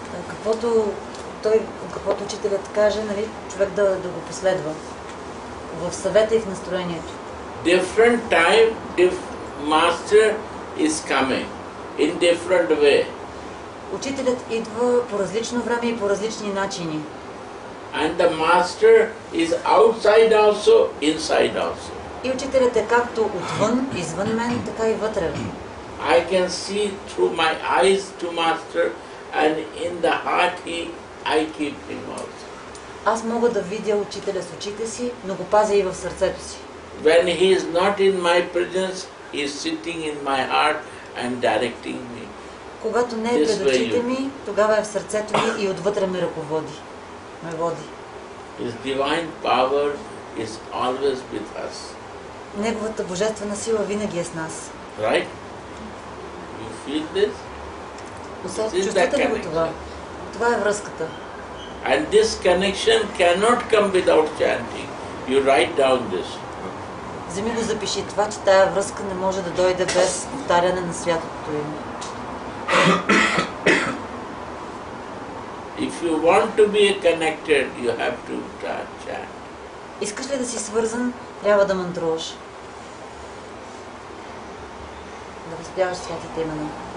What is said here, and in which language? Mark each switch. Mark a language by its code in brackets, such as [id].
[bg] Каквото той, каквото учителят каже, нали, човек да го последва. В съвета и в настроението. [en] Different time, if master is coming in different way. [bg] Учителят идва по различно време и по различни начини. [en] And the master is outside also, inside also. [bg] И учителят е както отвън, извън мен, така и вътре. [en] I can see through my eyes to master and in the heart he, I keep him also. [bg] Аз мога да видя учителя с очите си, но го пазя и в сърцето си. [en] When he is not in my presence, he is sitting in my heart and directing me. [bg] Когато не е пред очите ми, тогава е в сърцето ми и отвътре ме ръководи, ме води. [en] His divine power is always with us. [bg] Неговата божествена сила винаги е с нас. [en] Right? You feel this? [bg] Чувствате ли го това? Това е връзката. [en] And this connection cannot come without chanting. You write down this. [bg] Вземи го, запиши това, че тая връзка не може да дойде без повтаряне на святото име. [en] If you want to be connected, you have to chant. [bg] Искаш ли да си свързан, трябва да мантруваш. Да възпяваш святите имена.